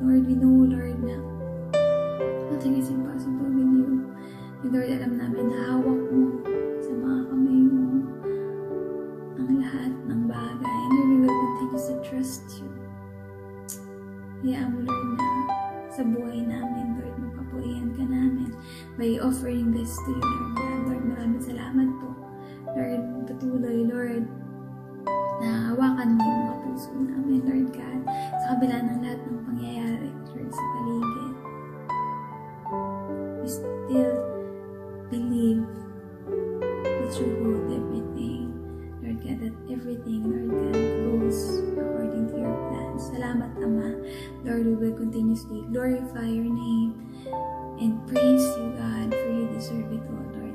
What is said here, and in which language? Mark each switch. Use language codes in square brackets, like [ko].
[en] Lord, we know, Lord, na nothing is impossible with you. [tl] And Lord, alam namin na hawak mo sa mga kamay mo ang lahat ng bagay. [en] And Lord, we will continue to trust you. [tl] Kaya mo, Lord, na sa buhay namin, Lord, magpapurihan ka namin [en] by offering this to you, [tl] Lord God. Lord, maraming salamat po. Lord, patuloy, Lord, na hawakan mo yung mga puso namin, Lord God, sa kabila ng lahat ng pangyayari, Lord, sa paligid. [en] We still believe that you hold everything, Lord God, that everything, Lord God, goes according to your plan. [tl] Salamat, Ama. [en] Lord, we will continuously glorify your name and praise you, God, for you deserve it all, Lord.